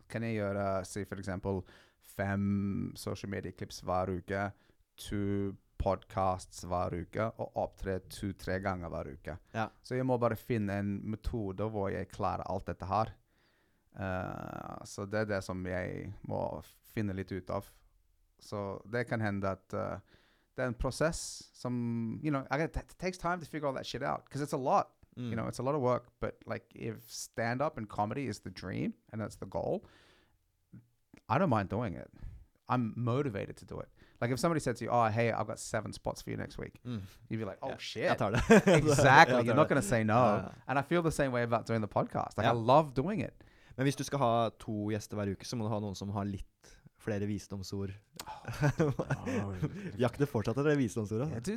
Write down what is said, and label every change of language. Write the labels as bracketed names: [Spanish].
[Norwegian] Kan jeg gjøre, si for eksempel, 5 social media clips hver uke, 2 podcasts hver uke, og opptre 2-3 ganger hver uke. Ja. Så jeg må bare finne en metode hvor jeg klarer alt dette her. Så det er det som jeg må finne litt ut av. Så det kan hende at det er en prosess som, [English] you know, it takes time to figure all that shit out, because it's a lot. You know, it's a lot of work, but like, if stand-up and comedy is the dream, and that's the goal, I don't mind doing it. I'm motivated to do it. Like if somebody said to you, oh, hey, I've got 7 spots for you next week. You'd be like, oh, shit. Exactly. You're not going to say no. And I feel the same way about doing the podcast. Like I love doing it. [Norwegian] Men hvis du skal ha 2 gjester hver uke, så må du ha noen som har litt flere visdomsord. Jakte fortsatt etter visdomsord.